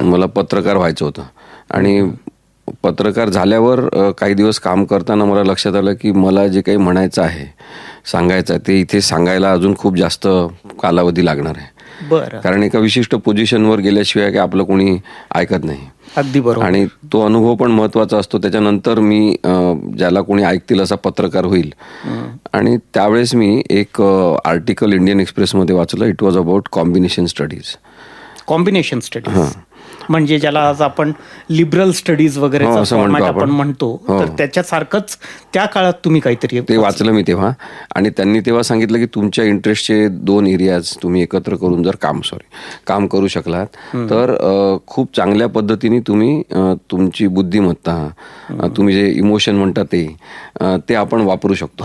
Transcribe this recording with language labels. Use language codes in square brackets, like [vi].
[mr] मला पत्रकार व्हायचं होतं आणि पत्रकार झाल्यावर काही दिवस काम करताना मला लक्षात आलं की मला जे काही म्हणायचं आहे, सांगायचं आहे, ते इथे सांगायला अजून खूप जास्त कालावधी लागणार आहे. बरं. कारण एका विशिष्ट पोझिशनवर गेल्याशिवाय की आपलं कोणी ऐकत नाही. अगदी बरोबर. आणि तो अनुभव पण महत्वाचा असतो. त्याच्यानंतर मी ज्याला कोणी ऐकतील असा पत्रकार होईल. आणि त्यावेळेस मी एक आर्टिकल इंडियन एक्सप्रेस मध्ये वाचलं. [en] It was about combination studies. [mr] Combination studies म्हणजे ज्याला आज आपण लिबरल स्टडीज वगैरे म्हणतो, त्याच्यासारखंच त्या काळात तुम्ही काहीतरी ते वाचलं मी तेव्हा. आणि त्यांनी तेव्हा सांगितलं की तुमच्या इंटरेस्टचे दोन एरियाज तुम्ही एकत्र करून जर काम करू शकलात तर खूप चांगल्या पद्धतीने तुम्ही तुमची बुद्धिमत्ता, तुम्ही जे इमोशन म्हणता ते आपण वापरू शकतो.